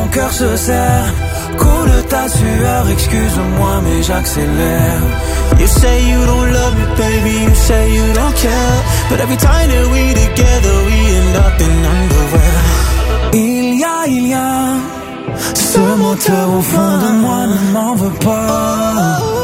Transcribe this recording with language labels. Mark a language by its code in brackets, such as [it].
[fr] Se serre, coule ta sueur, excuse-moi mais j'accélère. [en] You say you don't love me, baby, you say you don't care. But every time that we together, we end up in underwear. [fr] Ilia, Ilia, ce moteur au fond de moi ne m'en veut pas.